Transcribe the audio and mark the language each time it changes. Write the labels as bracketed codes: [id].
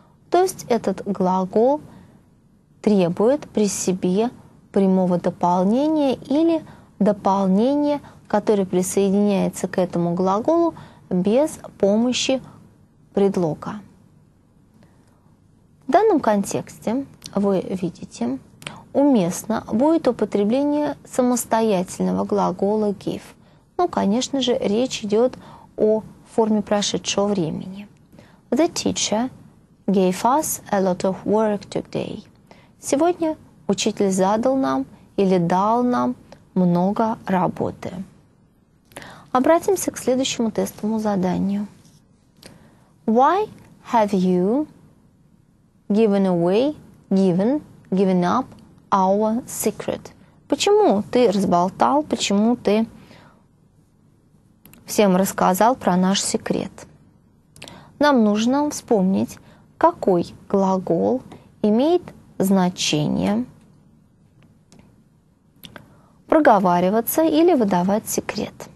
[ru] То есть этот глагол требует при себе прямого дополнения или дополнения, которое присоединяется к этому глаголу без помощи предлога. В данном контексте вы видите, уместно будет употребление самостоятельного глагола give. Ну, конечно же, речь идет о форме прошедшего времени. [en] The teacher gave us a lot of work today. [ru] Сегодня учитель задал нам или дал нам много работы. Обратимся к следующему тестовому заданию. [en] Why have you given away, given up our secret? [ru] Почему ты разболтал, почему ты всем рассказал про наш секрет? Нам нужно вспомнить, какой глагол имеет значение проговариваться или выдавать секрет.